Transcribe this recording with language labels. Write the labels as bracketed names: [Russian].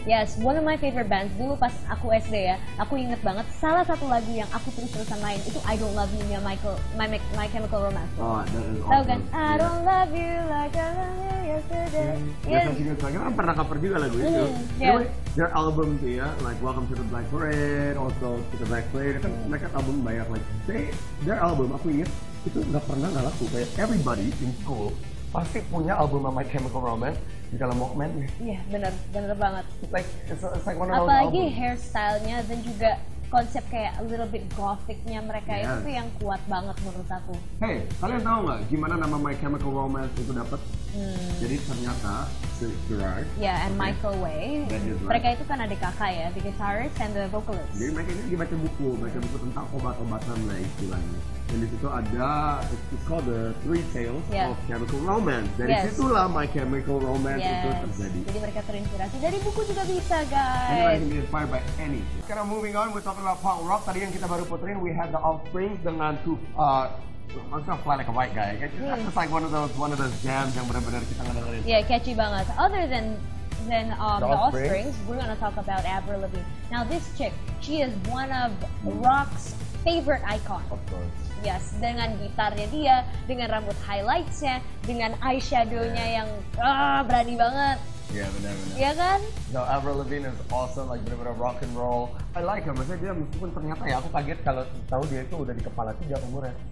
[English] Yes, one of my favorite bands. [Indonesian] Dulu pas aku SD ya, aku inget banget salah satu lagu yang aku terus-terusan main itu I Don't Love You nya My Chemical Romance. [English] Oh, that is awesome. [Indonesian] Tau kan? [English] Yeah. I don't love you like I love you yesterday. Yes. [Indonesian] Kita kan pernah cover juga lagu itu. [English] Their album [Indonesian] tuh ya, [English] like Welcome to the Black Parade, also to the Black Parade. [Indonesian] Kan mereka album banyak, [English] like their album [Indonesian] aku inget itu nggak pernah nggak laku, kayak [English] everybody in school [Indonesian] pasti punya album My Chemical Romance di dalam Walkman. Iya, [English] yeah, [Indonesian] benar banget. [English] It's like one of [Indonesian] those. Apalagi hairstylenya dan juga konsep kayak a little bit gothicnya mereka, [English] yes, [Indonesian] itu yang kuat banget menurut aku. Hey, kalian tahu nggak gimana nama My Chemical Romance itu dapat? Jadi ternyata Gerard, [English] yeah, and okay. Michael Way, [Indonesian] mereka itu kan adik kakak ya, [English] the guitarist and the vocalist. [Indonesian] Jadi mereka ini dibaca buku, baca buku tentang obat-obatan lah istilahnya. Dan di situ ada, [English] it's called the Three Tales, yeah, of Chemical Romance. [Indonesian] Dari, [English] yes, [Indonesian] situlah My Chemical Romance, yes, itu terjadi. Jadi mereka terinspirasi dari buku juga bisa, guys. [English] Anyway, can be inspired by anything. [Indonesian] Sekarang [English] moving on, we're talking about punk rock. [Indonesian] Tadi yang kita baru puterin, [English] we had the Offspring [Indonesian] dengan Maksudnya Fly Like a White Guy. [English] It's like one of those jams [Indonesian] yang benar-benar kita ngedengerin. [English] Yeah, catchy [Indonesian] banget. [English] Other than the Offsprings, we're gonna talk about Avril Lavigne. Now this chick, she is one of rock's favorite icon. Of course. Yes, [Indonesian] dengan gitarnya dia, dengan rambut highlightsnya, dengan eyeshadownya yang berani banget. Iya, [English] yeah, [Indonesian] benar-benar. Iya kan? [English] No, Avril Lavigne is awesome, like [Indonesian] bener-bener [English] rock and roll. I like her, [Indonesian] maksudnya dia meskipun ternyata ya aku kaget kalau tahu dia itu udah di kepala tiga umurnya.